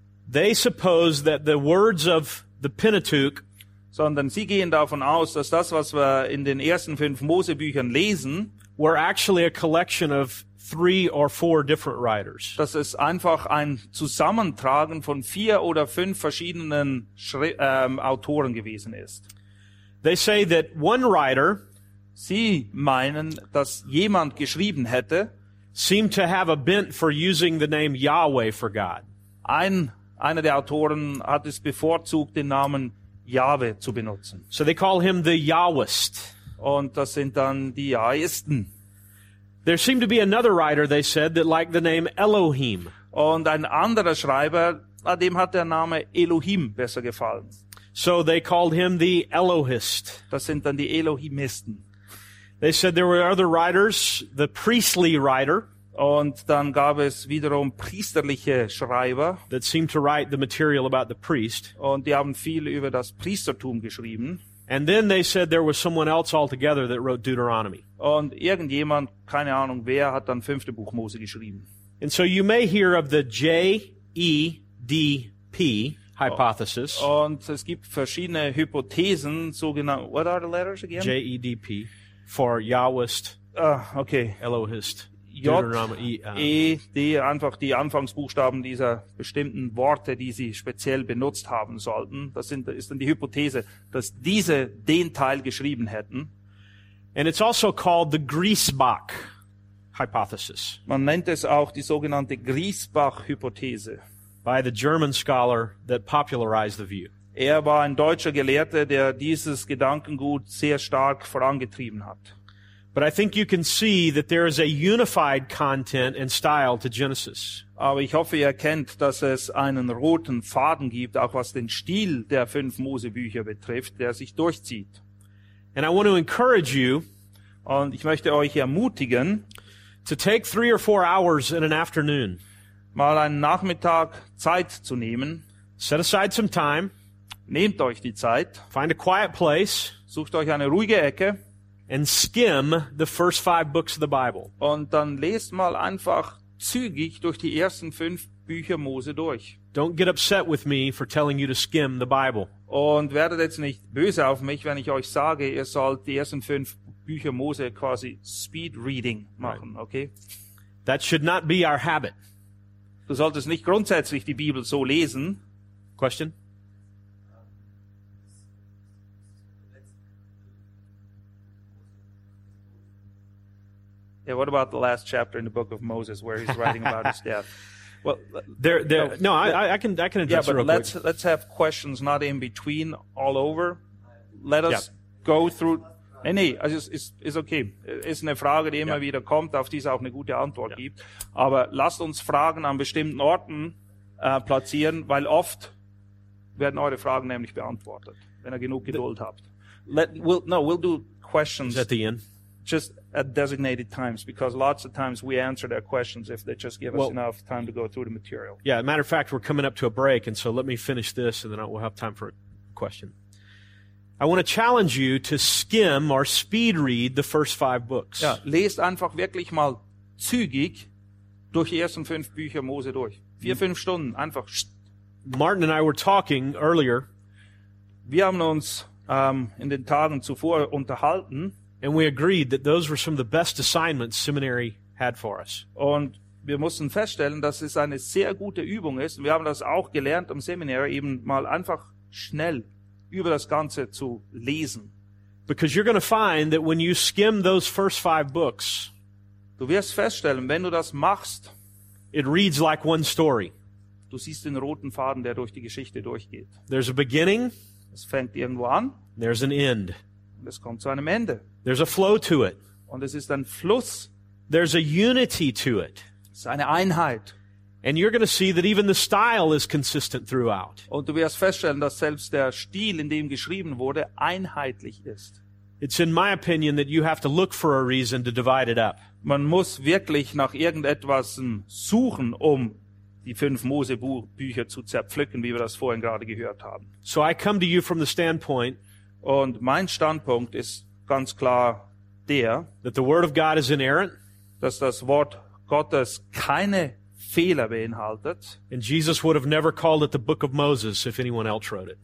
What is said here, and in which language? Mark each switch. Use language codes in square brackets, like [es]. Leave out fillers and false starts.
[en] they suppose that the words of the Pentateuch, [de] sondern sie gehen davon aus, dass das, was wir in den ersten fünf Mosebüchern lesen, [en] were actually a collection of three or four different writers. [de] Das ist einfach ein Zusammentragen von vier oder fünf verschiedenen Autoren gewesen ist. [en] They say that one writer, [de] sie meinen, dass jemand geschrieben hätte, [en] seemed to have a bent for using the name Yahweh for God. [de] Einer der Autoren hat es bevorzugt, den Namen Yahweh zu benutzen. [en] So they call him the Yahwist. [de] Und das sind dann die Yahisten. [en] There seemed to be another writer, they said, that liked the name Elohim. [de] Und ein anderer Schreiber, dem hat der Name Elohim besser gefallen. [en] So they called him the Elohist. [de] Das sind dann die Elohimisten. [en] They said there were other writers, the priestly writer. [de] Und dann gab es wiederum priesterliche Schreiber. [en] That seemed to write the material about the priest. [de] Und die haben viel über das Priestertum geschrieben. [en] And then they said there was someone else altogether that wrote Deuteronomy. [de] Und irgendjemand, keine Ahnung wer, hat dann fünfte Buch Mose geschrieben. [en] And so you may hear of the J-E-D-P hypothesis. [de] Und es gibt verschiedene Hypothesen, sogenannte, [en] what are the letters again? J-E-D-P. For Yahwist, okay. Elohist. [de] die einfach die Anfangsbuchstaben dieser bestimmten Worte, die sie speziell benutzt haben sollten. Das sind, ist dann die Hypothese, dass diese den Teil geschrieben hätten. [en] And it's also called the Griesbach hypothesis. [de] Man nennt es auch die sogenannte Griesbach-Hypothese. [en] By the German scholar that popularized the view. [de] Er war ein deutscher Gelehrter, der dieses Gedankengut sehr stark vorangetrieben hat. [en] But I think you can see that there is a unified content and style to Genesis. [de] Aber ich hoffe, ihr erkennt, dass es einen roten Faden gibt, auch was den Stil der fünf Mosebücher betrifft, der sich durchzieht. [en] And I want to encourage you, [de] und ich möchte euch ermutigen, [en] to take 3 or 4 hours in an afternoon, [de] mal einen Nachmittag Zeit zu nehmen, [en] set aside some time, [de] nehmt euch die Zeit, [en] find a quiet place, [de] sucht euch eine ruhige Ecke, [en] and skim the first 5 books of the Bible. [de] Und dann lest mal einfach zügig durch die ersten 5 Bücher Mose durch. [en] Don't get upset with me for telling you to skim the Bible. [de] Und werdet jetzt nicht böse auf mich, wenn ich euch sage, ihr sollt die ersten 5 Bücher Mose quasi speed reading machen, right. [en] Okay? That should not be our habit. [de] Du solltest nicht grundsätzlich die Bibel so lesen. [en] Question? Yeah, what about the last chapter in the book of Moses where he's writing about his death? Well, I can address yeah, but it real let's, quick. Let's have questions not in between, all over. Let us go through. [de] Nee, also ist okay. Ist eine Frage, die immer wieder kommt, auf die es auch eine gute Antwort gibt. Aber lasst uns Fragen an bestimmten Orten platzieren, weil oft werden eure Fragen nämlich beantwortet, wenn ihr genug Geduld habt. [en] We'll do questions. Is that the end? Just at designated times, because lots of times we answer their questions if they just give us enough time to go through the material. Yeah, as a matter of fact, we're coming up to a break, and so let me finish this, and then we'll have time for a question. I want to challenge you to skim or speed read the first 5 books. [de] Ja, lest einfach wirklich mal zügig durch die ersten 5 Bücher Mose durch. 4-5 Stunden, einfach. [en] Martin and I were talking earlier. [de] Wir haben uns in den Tagen zuvor unterhalten. [en] And we agreed that those were some of the best assignments seminary had for us. [de] Und wir mussten feststellen, dass es eine sehr gute Übung ist. Und wir haben das auch gelernt im Seminar, eben mal einfach schnell über das Ganze zu lesen. [en] Because you're going to find that when you skim those first 5 books, [de] du wirst feststellen, wenn du das machst, [en] it reads like one story. [de] Du siehst den roten Faden, der durch die Geschichte durchgeht. [en] There's a beginning. [de] Es fängt irgendwo an. [en] There's an end. [de] Es kommt zu einem Ende. [en] There's a flow to it. [de] Und es ist ein Fluss. [en] There's a unity to it. [de] Es ist eine Einheit. [en] And you're going to see that even the style is consistent throughout. [de] Und du wirst feststellen, dass selbst der Stil, in dem geschrieben wurde, einheitlich ist. [en] It's in my opinion that you have to look for a reason to divide it up. [de] Man muss wirklich nach irgendetwas suchen, um die 5 Mosebücher zu zerpflücken, wie wir das vorhin gerade gehört haben. [en] So I come to you from the standpoint. [de] Und mein Standpunkt ist ganz klar der, [en] that the word of God is inerrant, [de] dass das Wort Gottes keine Fehler beinhaltet. [en] And Jesus would have never called it the book of Moses if anyone else wrote it.